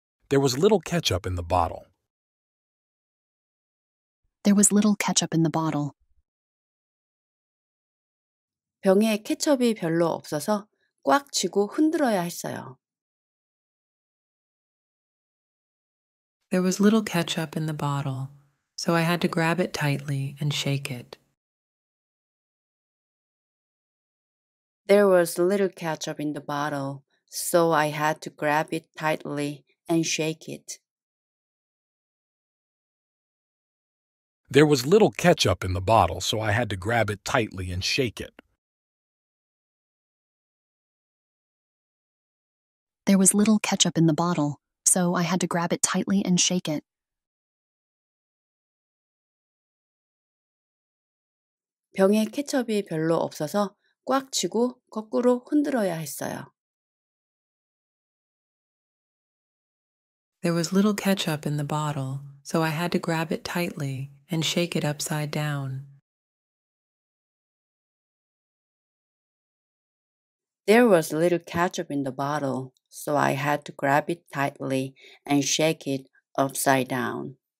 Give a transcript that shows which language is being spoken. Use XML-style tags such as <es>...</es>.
<en>There was little ketchup in the bottle. There was little ketchup in the bottle.</en> <ko>병에 케첩이 별로 없어서 꽉 쥐고 흔들어야 했어요.</ko> <en>There was little ketchup in the bottle, so I had to grab it tightly and shake it. There was little ketchup in the bottle, so I had to grab it tightly and shake it. There was little ketchup in the bottle, so I had to grab it tightly and shake it. There was little ketchup in the bottle. So I had to grab it tightly and shake it.</en> <ko>병에 케첩이 별로 없어서 꽉 쥐고 거꾸로 흔들어야 했어요.</ko> <en>There was little ketchup in the bottle, so I had to grab it tightly and shake it upside down. There was little ketchup in the bottle, so I had to grab it tightly and shake it upside down.</en>